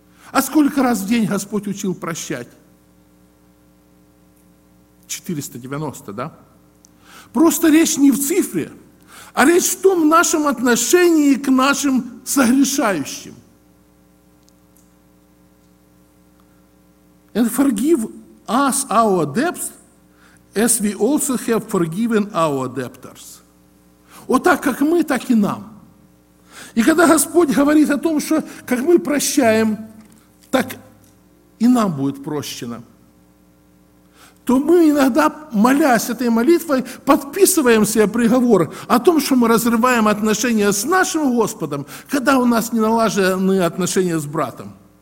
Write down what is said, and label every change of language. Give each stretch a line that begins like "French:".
Russian: А сколько раз в день Господь учил прощать? 490, да? Просто речь не в цифре, а речь в том нашем отношении к нашим согрешающим.
English: And forgive us our debts, as we also have forgiven our debtors.
Russian: Вот так как мы, так и нам. И когда Господь говорит о том, что как мы прощаем, так и нам будет прощено, то мы иногда, молясь этой молитвой, подписываем себе приговор о том, что мы разрываем отношения с нашим Господом, когда у нас не налажены отношения с братом.